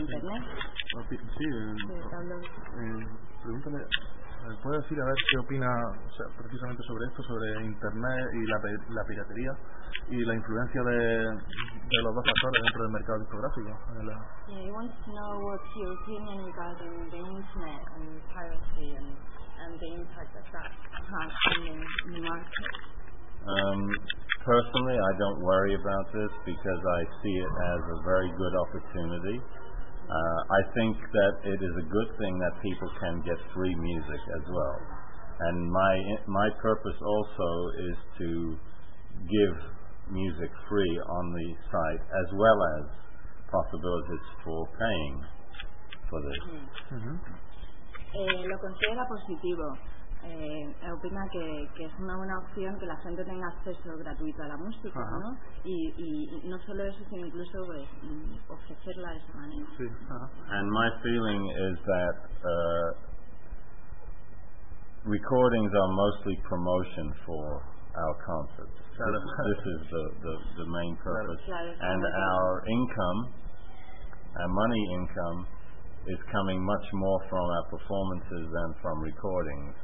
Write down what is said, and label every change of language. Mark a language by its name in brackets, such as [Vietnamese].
[Spanish] Sí, pregúntale, ¿puede decir a ver qué opina, o sea, precisamente sobre esto, sobre internet y la piratería y la influencia de los dos factores dentro del mercado discográfico? [English] Yeah, he wants to know what's your opinion regarding the internet and piracy and the impact that has in the market. Personally, I don't worry about this because I see it as a very good opportunity. I think that it is a good thing that people can get free music as well. And my purpose also is to give music free on the site as well as possibilities for paying for this. [Spanish] Lo considera positivo. Opina que es una buena opción que la gente tenga acceso gratuito a la música, ¿no? Y no solo eso, sino incluso pues, ofrecerla de esa manera. Sí. [English] And my feeling is that recordings are mostly promotion for our concerts. [Spanish] Claro. [English] This is the main purpose. [Spanish] Claro, claro. [English] And our income, our money income, is coming much more from our performances than from recordings.